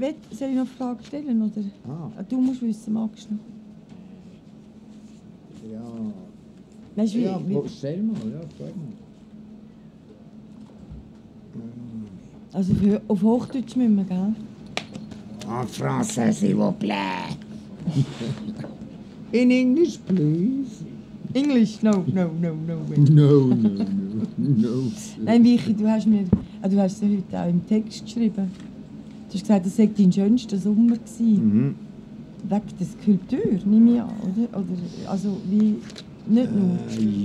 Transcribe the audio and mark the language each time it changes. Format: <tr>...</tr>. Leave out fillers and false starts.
<de>Soll ich noch Fragen stellen? Oder? Ah. Du musst wissen, magst du noch? Ja. Weißt du, stell mal, ja, frag mal. Also auf Hochdeutsch müssen wir, gell?</de> <fr>En français, s'il vous plaît.</fr> <en>In English, please. English? No.</en> <de>Nein, Michi, du hast es heute auch im Text geschrieben. Du hast gesagt, das war dein schönster Sommer. Mhm. Wegen der Skulptur, nehme ich an, oder? Oder also, wie, nicht nur.</de>